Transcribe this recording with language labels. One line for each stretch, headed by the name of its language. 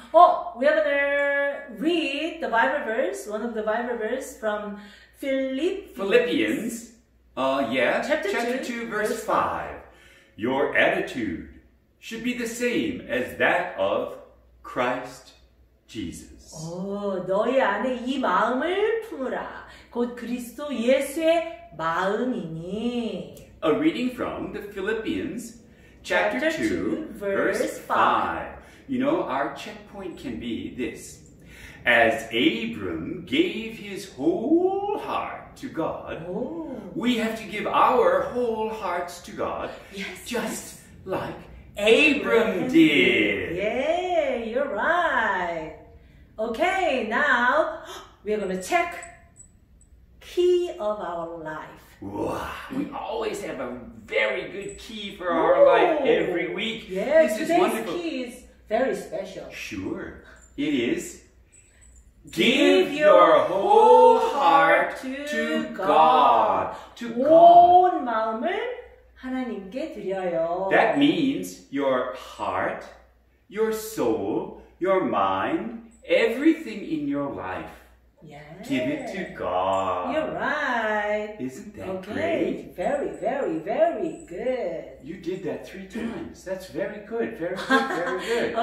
English: Oh, we're going to read the Bible verse, one of the Bible verse from Philippians. Chapter 2, verse 5. Your attitude should be the same as that of Christ Jesus.
Korean: Oh, 너희 안에 이 마음을 품으라. 곧 그리스도 예수의 마음이니.
English: A reading from the Philippians, chapter 2, verse 5. You know, our checkpoint can be this. As Abram gave his whole heart to God, we have to give our whole hearts to God, like Abram did. Yeah, you're right. Okay, now we're going to check key of our life. We always have a very good key for our life every week. Yes, this is wonderful. Key is very special. Sure. It is give your whole heart to God. To God.
Korean: 마음을 하나님께 드려요.
English: That means your heart, your soul, your mind, everything in your life. Yeah. Give it to God. You're right. Isn't that great? Very, very, very good. You did that 3 times. That's very good. Very good. Very good.